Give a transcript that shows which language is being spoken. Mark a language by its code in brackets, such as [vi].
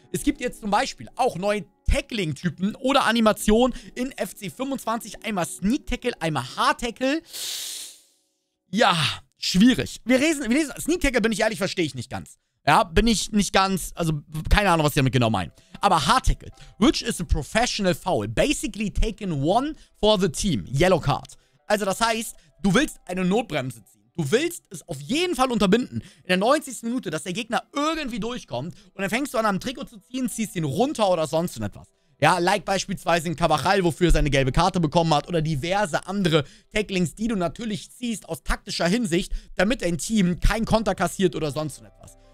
[de] Es gibt jetzt zum Beispiel auch neue Tackling-Typen oder Animationen in FC 25. Einmal Sneak-Tackle, einmal Hard-Tackle. Ja, schwierig. Wir lesen, Sneak-Tackle, bin ich ehrlich, verstehe ich nicht ganz. Ja, bin ich nicht ganz, also keine Ahnung, was sie damit genau meinen. [en] Aber Hard-Tackle, which is a professional foul, basically taken one for the team, yellow card. [de] Also das heißt, du willst eine Notbremse ziehen. Du willst es auf jeden Fall unterbinden, in der 90. Minute, dass der Gegner irgendwie durchkommt und dann fängst du an, am Trikot zu ziehen, ziehst ihn runter oder sonst etwas. Ja, like beispielsweise in Cavajal, wofür er seine gelbe Karte bekommen hat oder diverse andere Tacklings, die du natürlich ziehst aus taktischer Hinsicht, damit dein Team kein Konter kassiert oder sonst etwas.